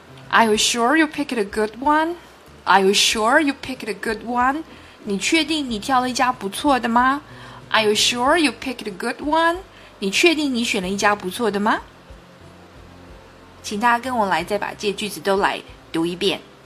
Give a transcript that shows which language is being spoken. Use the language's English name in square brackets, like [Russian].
[English] Are you sure you picked a good one? Are you sure you picked a good one? [Chinese] 你确定你挑了一家不错的吗？ [English] Are you sure you picked a good one? [Chinese] 你确定你选了一家不错的吗？请大家跟我来，再把这些句子都来读一遍。